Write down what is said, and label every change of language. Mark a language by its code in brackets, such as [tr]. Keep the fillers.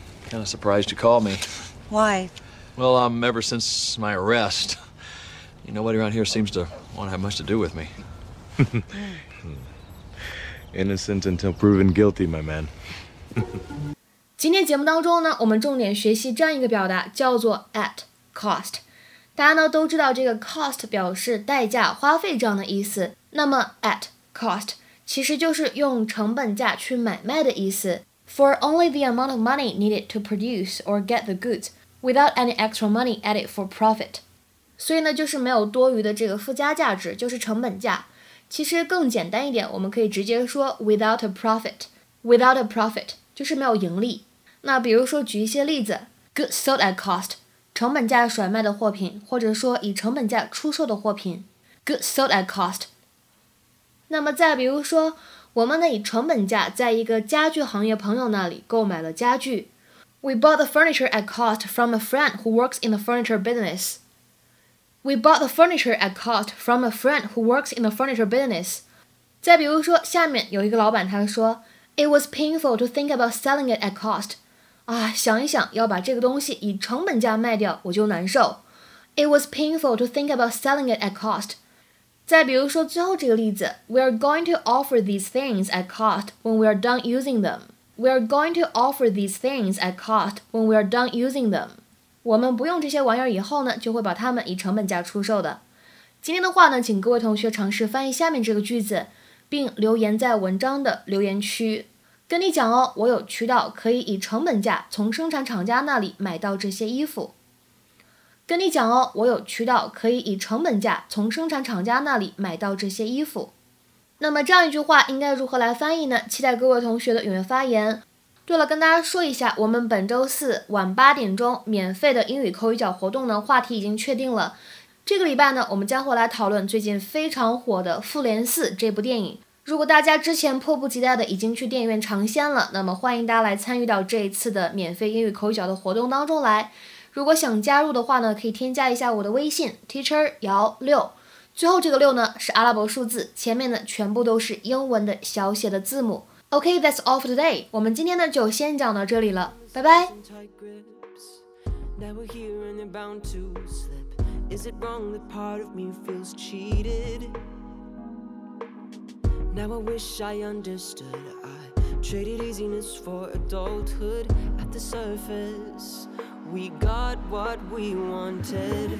[en] kind of surprised you called me. Why? Well, um, ever since my arrest, you know, nobody around here seems to want to have much to do with me. Innocent until proven guilty, my man. [zh] 今天节目当中呢，我们重点学习这样一个表达，叫做 at cost。大家呢都知道这个 cost 表示代价、花费这样的意思。那么 at cost 其实就是用成本价去买卖的意思。 [en] For only the amount of money needed to produce or get the goods, without any extra money added for profit。 [zh] 所以呢，就是没有多余的这个附加价值，就是成本价。其实更简单一点，我们可以直接说 [en] without a profit，without a profit [zh] 就是没有盈利。那比如说举一些例子， [en] goods sold at cost， [zh] 成本价甩卖的货品，或者说以成本价出售的货品，goods sold at cost。那么再比如说，我们呢以成本价在一个家具行业朋友那里购买了家具， [en] We bought the furniture at cost from a friend who works in the furniture business。 We bought the furniture at cost from a friend who works in the furniture business。 [zh] 再比如说，下面有一个老板他说， [en] It was painful to think about selling it at cost。 [zh] 啊，想一想要把这个东西以成本价卖掉，我就难受。 [en] It was painful to think about selling it at cost。 [zh] 再比如说最后这个例子， [en] We are going to offer these things at cost when we are done using them。We are going to offer these things at cost when we are done using them。 [zh] 我们不用这些玩意儿以后呢，就会把它们以成本价出售的。今天的话呢，请各位同学尝试翻译下面这个句子，并留言在文章的留言区。跟你讲哦，我有渠道可以以成本价从生产厂家那里买到这些衣服。跟你讲哦，我有渠道可以以成本价从生产厂家那里买到这些衣服。那么这样一句话应该如何来翻译呢？期待各位同学的踊跃发言。对了，跟大家说一下，我们本周四晚八点钟免费的英语口语角活动呢，话题已经确定了。这个礼拜呢，我们将会来讨论最近非常火的《复联四》这部电影。如果大家之前迫不及待的已经去电影院尝鲜了，那么欢迎大家来参与到这一次的免费英语口语角的活动当中来。如果想加入的话呢，可以添加一下我的微信 teacher 姚六，最后这个六呢是阿拉伯数字，前面呢全部都是英文的小写的字母。 [en] OK，that's、all for today。 [zh] 我们今天呢就先讲到这里了，拜拜。 [en] and tight grips. Now we're here and they're bound to slip. Is it wrong that part of me feels cheated? Now I wish I understood. I traded easiness for adulthood. At the surface, we got what we wanted.